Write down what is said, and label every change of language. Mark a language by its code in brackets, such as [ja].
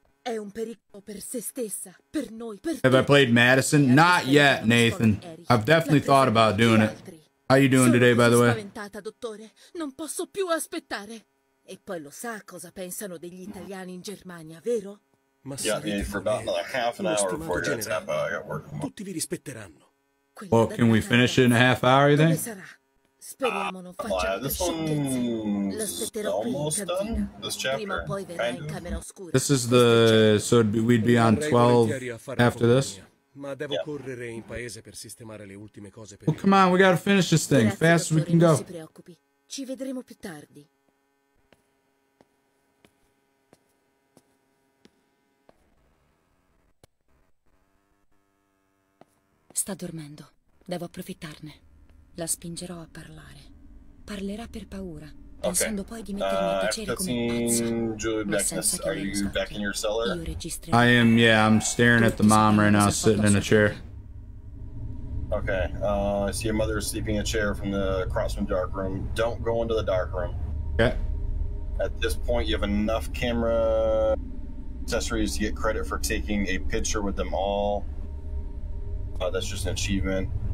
[it] È un pericolo per se stessa, per noi, per tutti. [en] Have I played Madison? Not yet, Nathan. I've definitely thought about doing it. How you doing today, by the way? [it] Sono spaventata, dottore. Non posso più aspettare. E poi lo sa cosa pensano degli italiani in Germania, vero? [en] Ma yeah, for about like half an hour before you got Tampa, I got work. [it] Tutti vi rispetteranno. [en] Well, can we finish it in a half hour, you think? [it] Speriamo non faccia più sciocchezze. L'aspetterò qui in cantina. Prima o poi verrà in camera oscura. This is the so it'd be, we'd be on 12 after this. Ma devo correre in paese per sistemare le ultime cose per. [en] Well, come on, we gotta finish this thing fast as we can go. [it] Non si preoccupi, ci vedremo più tardi. Sta dormendo. Devo approfittarne. La spingerò a parlare. Parlerà per paura, pensando poi di mettermi a tacere come pazzo. [en] Are you back in your cellar? I am, yeah, I'm staring at the mom right now, sitting in a chair. Okay, I see your mother sleeping in a chair from the across from the dark room. Don't go into the dark room. Okay. At this point, you have enough camera accessories to get credit for taking a picture with them all. That's just an achievement.